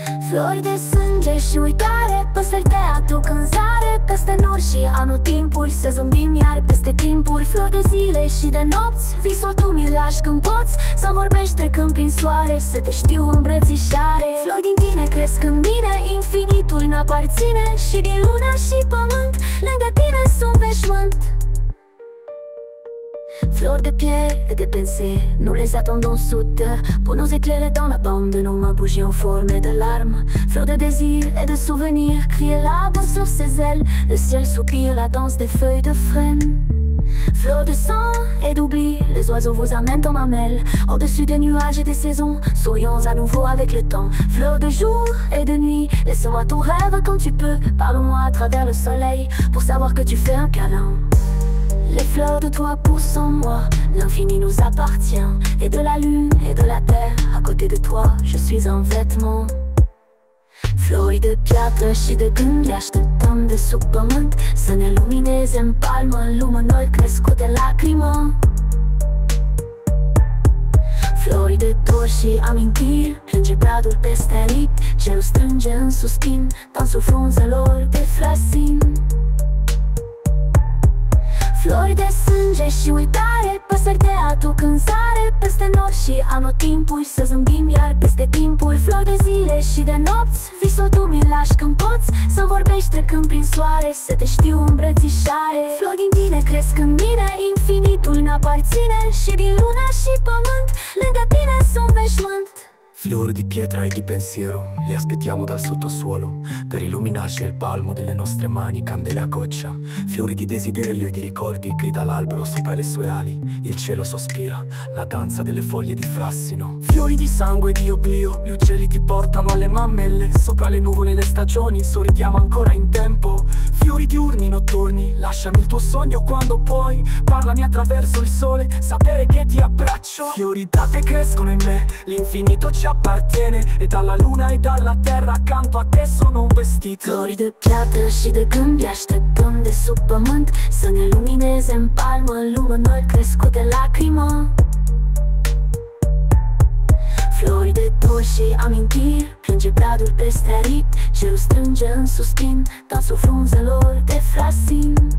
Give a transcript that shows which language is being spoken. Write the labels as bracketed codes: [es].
[ro] Flori de sânge și uitare, păsări pe aduc în zare, peste nori și anotimpuri, să zâmbim iar peste timpuri. Flori de zile și de nopți, visul tu mi-l lași când poți, să vorbești trecând prin soare, să te știu îmbrățișare. Flori din tine cresc în mine, infinitul n-aparține, și din luna și pământ, lângă tine sunt veșmânt. Flori de piele, [fr] de pensée, nous les attendons soudain. Pour nos éclairs dans la bande, nos mains bougies en forme de larmes. Flori de désir et de souvenir, crier l'arbre sur ses ailes. Le ciel soupire la danse des feuilles de frêne. Flori de sang et d'oubli, les oiseaux vous amènent en mamelle. Au-dessus des nuages et des saisons, sourions à nouveau avec le temps. Flori de jour et de nuit, laisse-moi ton rêve quand tu peux. Parle-moi à travers le soleil, pour savoir que tu fais un câlin. Les fleurs de toi poussent en moi, l'infini nous appartient. Et de la lune et de la terre, à côté de toi, je suis un vêtement. [ro] Flori de piatră și de gânde așteptăm de sub pământ să ne lumineze în palmă lumânări crescute lacrimă. Flori de dor și amintiri plânge bradul peste rit, cerul strânge în suspin dansul frunzelor de frasin. Flori de sânge și uitare, păsări te aduc în zare, peste nori și anotimpuri, să zâmbim iar peste timpuri. Flori de zile și de nopți, visul tu mi-l lași când poți, să vorbești trecând prin soare, să te știu îmbrățișare. Flori din tine cresc în mine, infinitul n-aparține, și din luna și pământ, lângă tine sunt veșmânt. [it] Flori di pietra e di pensiero, le aspettiamo dal sottosuolo, per illuminarci il palmo delle nostre mani, candele a goccia. Fiori di desiderio e di ricordi, grida l'albero sopra le sue ali, il cielo sospira, la danza delle foglie di frassino. Fiori di sangue e di oblio, gli uccelli ti portano alle mammelle, sopra le nuvole le stagioni, sorridiamo ancora in tempo. Fiori diurni notturni, lasciami il tuo sogno quando puoi, parlami attraverso il sole, sapere che ti abbraccio. Fiori date crescono in me, l'infinito ci appartiene, e dalla luna e dalla terra accanto a te sono un vestito. [ro] Flori de piatră și de gânde așteptăm de sub pământ să ne lumineze în palmă lumânări crescute lacrimă. Flori de dor și amintiri plânge bradul peste rit, cerul strânge în suspin dansul frunzelor de frasin.